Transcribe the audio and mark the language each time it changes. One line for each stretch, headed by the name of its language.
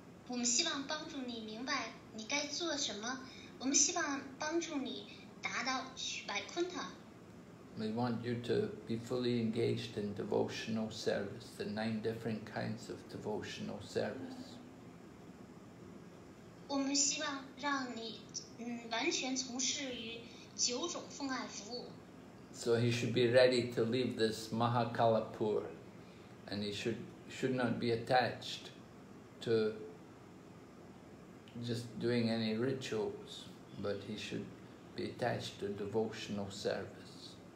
Chinese: 我们希望帮助你明白你该做什么。我们希望帮助你达到 Vaikuntha.
English: We want you to be fully engaged in devotional service, the 9 different kinds of devotional service.
Chinese: 我们希望让你完全从事于九种奉爱服务。
English: So he should be ready to leave this Mahakalapur, and he should not be attached to just doing any rituals, but he should be attached to devotional service.